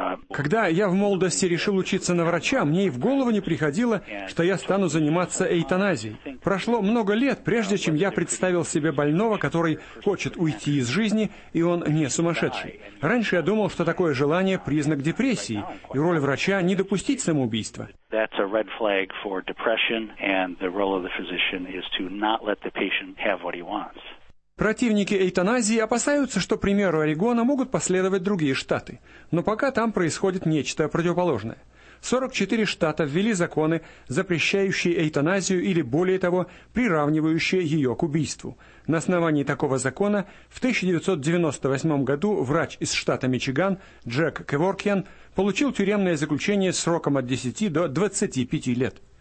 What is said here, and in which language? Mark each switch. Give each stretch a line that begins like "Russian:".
Russian: Когда я в молодости решил учиться на врача, мне и в голову не приходило, что я стану заниматься эвтаназией. Прошло много лет, прежде чем я представил себе больного, который хочет уйти из жизни, и он не сумасшедший. Раньше я думал, что такое желание – признак депрессии, и роль врача – не допустить самоубийства.
English: That's a red flag for depression, and the role of the physician is to not let the patient have what he wants.
Russian: Противники эвтаназии опасаются, что примеру Орегона могут последовать другие штаты. Но пока там происходит нечто противоположное. 44 штата ввели законы, запрещающие эвтаназию или, более того, приравнивающие ее к убийству. На основании такого закона в 1998 году врач из штата Мичиган Джек Кеворкиан получил тюремное заключение сроком от 10 до 25 лет.